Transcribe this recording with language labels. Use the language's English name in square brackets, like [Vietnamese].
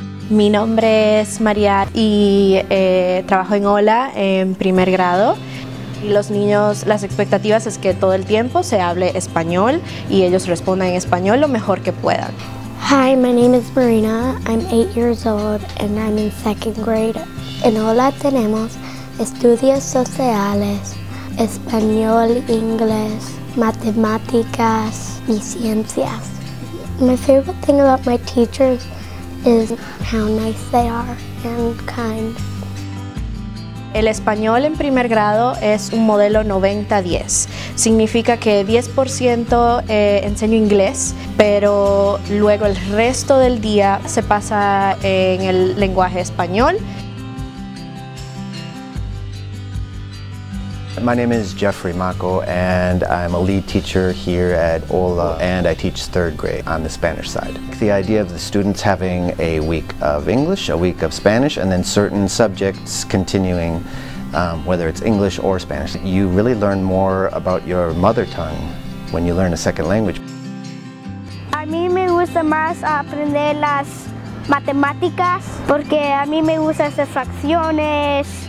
[Spanish] Mi nombre es María y trabajo en HoLa en primer grado. Los niños, las expectativas es que todo el tiempo se hable español y ellos respondan en español lo mejor que puedan. [English] Hi, my name is Marina. I'm 8 years old and I'm in second grade. [Spanish] En HoLa tenemos estudios sociales, español, inglés, matemáticas y ciencias. [English] My favorite thing about my teachers is how nice they are and kind. [Spanish] El español en primer grado es un modelo 90-10. Significa que 10% enseño inglés, pero luego el resto del día se pasa en el lenguaje español. [English] My name is Jeffrey Mako and I'm a lead teacher here at HoLa and I teach third grade on the Spanish side. The idea of the students having a week of English, a week of Spanish, and then certain subjects continuing, whether it's English or Spanish. You really learn more about your mother tongue when you learn a second language. [Spanish] A mí me gusta más aprender las matemáticas porque a mí me gusta hacer fracciones.